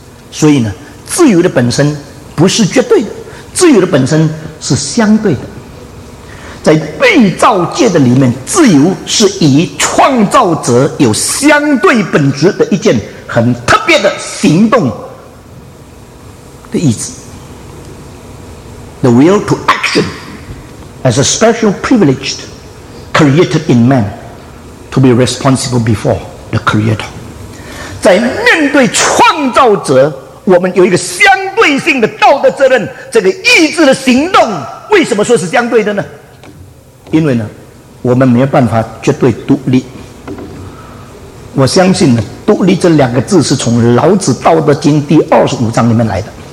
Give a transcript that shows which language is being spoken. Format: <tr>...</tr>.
<zh>所以呢，自由的本身不是绝对的，自由的本身是相对的。在被造界的里面，自由是以创造者有相对本质的一件很特别的行动的意志。</zh> <en>The will to action as a special privilege created in man to be responsible before the creator。</en> <zh>在面对创造者，我们有一个相对性的道德责任。这个意志的行动为什么说是相对的呢？因为呢，我们没有办法绝对独立。我相信呢，独立这两个字是从老子道德经第25章里面来的。</zh>